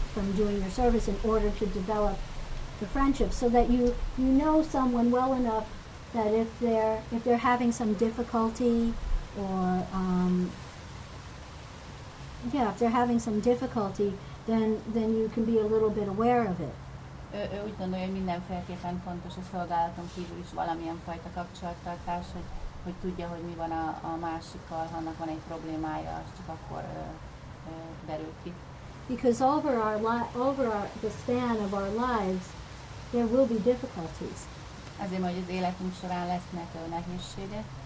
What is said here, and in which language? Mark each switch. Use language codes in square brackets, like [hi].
[en] from doing your service in order to develop the friendship, so that you know someone well enough that if they're having some difficulty, or if they're having some difficulty, then you can be a little bit aware of it. [hu] Ő úgy gondolja, hogy mindenféleképpen fontos a szolgálaton kívül is valamilyen fajta kapcsolattartás, hogy tudja, hogy mi van a másikkal, ha annak van egy problémája, az csak akkor derül ki. [en] Because over the span of our lives, there will be difficulties. [hu] Azért, hogy az életünk során lesznek nehézségek.